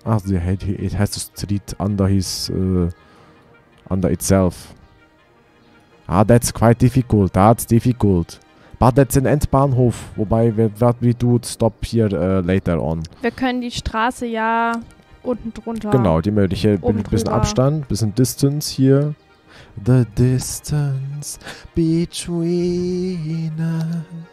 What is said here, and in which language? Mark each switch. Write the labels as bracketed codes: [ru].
[en] Ah, it has a street under his... under itself. Ah, that's quite difficult. That's difficult. But that's an Endbahnhof. Wobei, we do stop here later on. [de] Wir können die Straße ja unten drunter. Genau, die melde ich hier mit ein bisschen Abstand, bisschen Distance hier. [en] The distance between us.